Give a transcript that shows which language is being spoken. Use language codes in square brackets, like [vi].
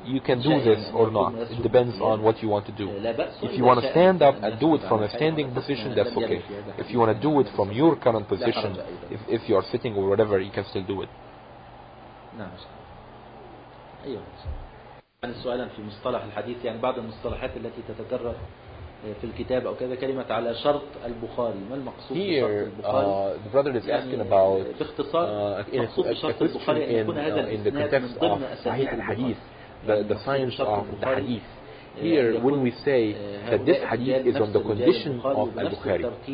[en] You can do this or not. It depends on what you want to do. If you want to stand up and do it from a standing position, that's okay. If you want to do it from your current position, if you are sitting or whatever, you can still do it. [ar] نعم. أيوة. عن سؤالا في مصطلح الحديث يعني بعض المصطلحات التي تتكرر في الكتاب أو كذا كلمة على شرط البخاري ما المقصود [en] here, [ar] بشرط البخاري؟ [en] Here the brother is [ar] يعني [en] asking about [ar] بشرط البخاري أن يكون هذا [en] in the context of [ar] صحيح الحديث [en] the science of the hadith. Here when we say that this hadith is on the condition of Al Bukhari.